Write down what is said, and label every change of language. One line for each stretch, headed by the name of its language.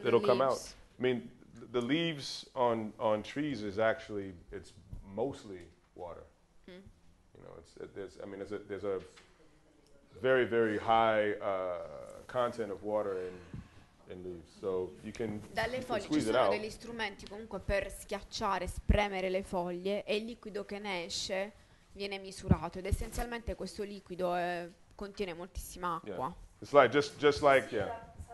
English: Yeah, it'll come out. I mean, the leaves on trees is actually, it's mostly water. You know, there's a very, very high content of water in leaves. So you can
Italian: dalle foglie ci sono degli strumenti comunque per schiacciare, spremere le foglie e il liquido che ne esce viene misurato ed essenzialmente questo liquido contiene moltissima acqua.
English: Yeah. It's like just like yeah.